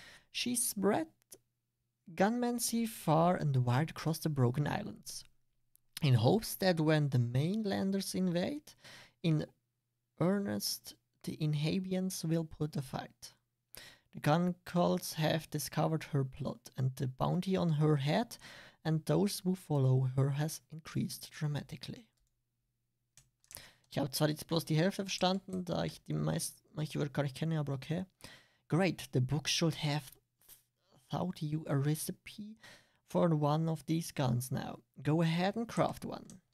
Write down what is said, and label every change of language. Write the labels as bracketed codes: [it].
[en] She spread gunmancy far and wide across the Broken Islands, in hopes that when the mainlanders invade, in earnest, the inhabitants will put a fight. The gun cults have discovered her plot, and the bounty on her head and those who follow her has increased dramatically. [de] Ich habe zwar jetzt bloß die Hälfte verstanden, da ich die meisten, ich würde gar nicht kennen, aber okay. [en] Great, the book should have taught you a recipe for one of these guns now. Go ahead and craft one.